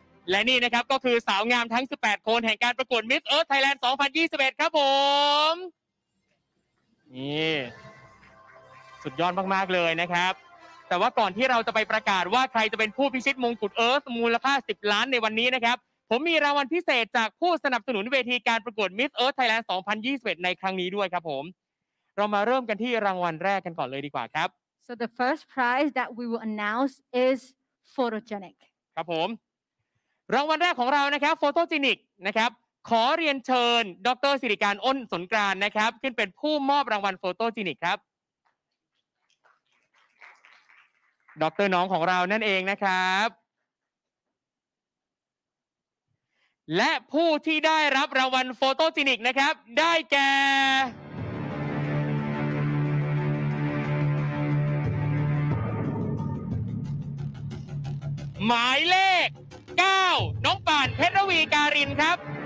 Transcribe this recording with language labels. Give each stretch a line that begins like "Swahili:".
Thai: และนี่นะครับก็คือสาวงามทั้ง18คนแห่งการประกวด Miss Earth Thailand 2021ครับผมนี่สุดยอดมากๆเลยนะครับแต่ว่าก่อนที่เราจะไปประกาศว่าใครจะเป็นผู้พิชิตมงกุฎเอิร์ธมูลค่า10ล้านในวันนี้นะครับผมมีรางวัลพิเศษจากผู้สนับสนุนเวทีการประกวด Miss Earth Thailand 2021ในครั้งนี้ด้วยครับผมเรามาเริ่มกันที่รางวัลแรกกันก่อนเลยดีกว่าครับ
English: So the first prize that we will announce is photogenic
Thai: ครับผมรางวัลแรกของเรานะครับโฟโตจินิกนะครับขอเรียนเชิญดร.สิริการอ้นสนกรานต์นะครับขึ้นเป็นผู้มอบรางวัลโฟโตจินิกครับดร. น้องของเรานั่นเองนะครับและผู้ที่ได้รับรางวัลโฟโตจินิกนะครับได้แก่หมายเลข9น้องป่านเพชรวีการินครับ